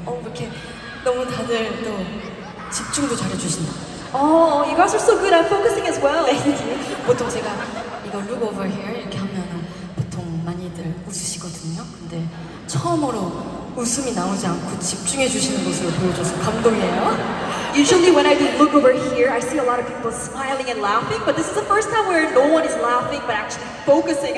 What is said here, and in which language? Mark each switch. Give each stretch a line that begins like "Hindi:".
Korean: Oh, 이렇게 너무 다들 또 집중도 잘해주신다.
English: Oh, you guys are so good at focusing as well.
Korean: 보통 제가 이거
English: look over here
Korean: 이렇게 하면 보통 많이들 웃으시거든요. 근데 처음으로 웃음이 나오지 않고 집중해주시는 모습을 보여줘서 감동이에요.
English: Usually when I do look over here, I see a lot of people smiling and laughing, but this is the first time where no one is laughing, but actually focusing.